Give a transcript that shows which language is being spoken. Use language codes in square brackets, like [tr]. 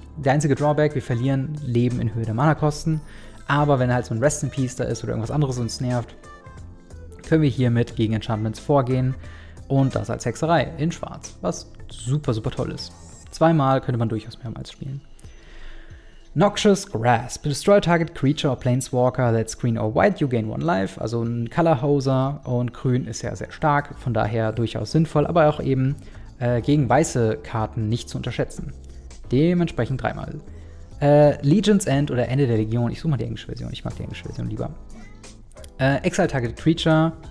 [de] Der einzige Drawback, wir verlieren Leben in Höhe der Mana-Kosten. Aber wenn halt so ein Rest in Peace da ist oder irgendwas anderes uns nervt, können wir hiermit gegen Enchantments vorgehen. Und das als Hexerei in Schwarz, was super, super toll ist. Zweimal könnte man durchaus mehrmals spielen. Noxious Grasp. [en] Destroy target creature or planeswalker that's green or white, you gain one life. [de] Also ein Colorhoser und grün ist ja sehr stark, von daher durchaus sinnvoll, aber auch eben gegen weiße Karten nicht zu unterschätzen. Dementsprechend dreimal. Legion's End oder Ende der Legion. Ich suche mal die englische Version, ich mag die englische Version lieber. [en] Exile target creature.